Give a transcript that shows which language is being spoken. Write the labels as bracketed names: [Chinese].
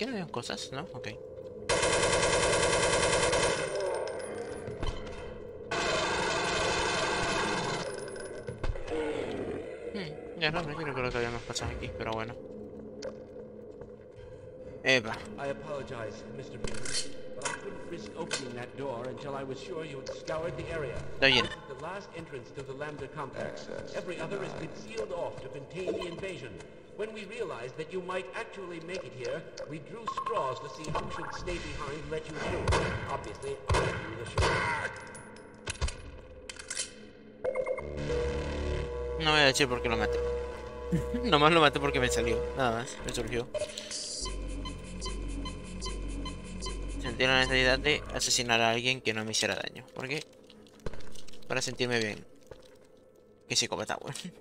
[Spanish] Cosas, ¿no? Ok. Ya no, no creo que lo que habíamos pasado aquí, pero bueno. [English] Eva. I apologize, Mr. Peter, but I couldn't risk opening that door until I was sure you had scoured the area. The last entrance to the Lambda complex. Every other has been sealed off to contain the invasion. When we realized that you might actually make it here, we drew straws to see who should stay behind and let you through. Obviously, I drew the straw. [Spanish] No voy a decir por qué lo maté. Nomás lo maté porque me salió. Nada más, me surgió. Sentí la necesidad de asesinar a alguien que no me hiciera daño. ¿Por qué? Para sentirme bien. Qué psicópata, weón.